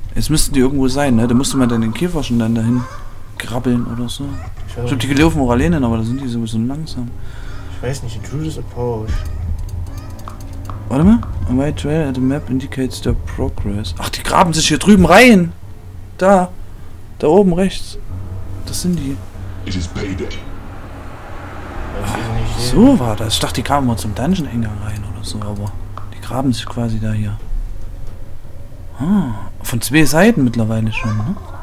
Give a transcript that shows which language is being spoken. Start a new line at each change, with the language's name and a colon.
German: Jetzt müssten die irgendwo sein, ne? Da musste man dann den Käfer schon dann dahin krabbeln oder so. Ich glaube, die gelaufen auch alleine, aber da sind die sowieso langsam. Ich weiß nicht, Intruder's Approach. Warte mal.
English: A white trail at the map indicates their progress.
German: Ach, die graben sich hier drüben rein! Da! Da oben rechts. Das sind die.
English: It is payday.
German: So war das. Ich dachte, die kamen mal zum Dungeon-Eingang rein oder so, aber die graben sich quasi da hier. Ah, von zwei Seiten mittlerweile schon, ne?